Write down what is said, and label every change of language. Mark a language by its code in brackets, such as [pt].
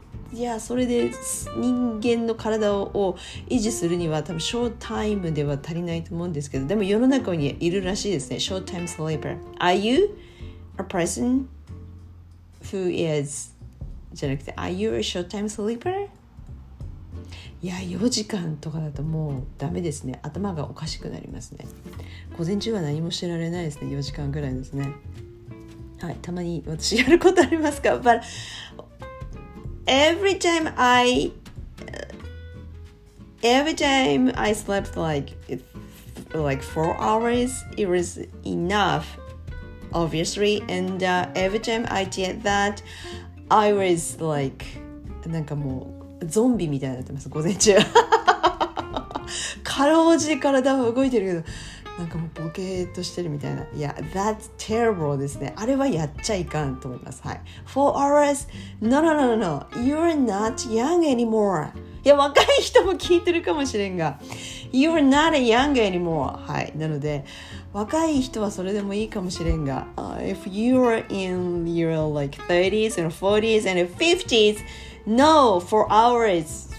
[ja] いや、それで人間の体を維持するには多分ショータイムでは足りないと思うんですけど、でも世の中にいるらしいですね。ショータイムスリーパー。 [en] Are you a person who is [ja] じゃなくて、 [en] Are you a short time sleeper? [ja] いや、4時間とかだともうダメですね。頭がおかしくなりますね。午前中は何もしてられないですね。4時間ぐらいですね。はい、たまに私やることありますか? [en] ButEvery time I slept like 4 hours, it was enough, obviously. And every time I did that, I was like, [ja] なんかもうゾンビみたいになってます午前中。かろうじて体は動いてるけど、なんかもうボケーっとしてるみたいな。 [en] Yeah, that's terrible [ja] ですね。あれはやっちゃいかんと思います。はい。 [en] 4 hours? No. You're not young anymore. [ja] いや、若い人も聞いてるかもしれんが。 [en] You're not young anymore. [ja] はい。なので、若い人はそれでもいいかもしれんが。 [en] If you're in your like 30s and 40s and 50s, no, 4 hours.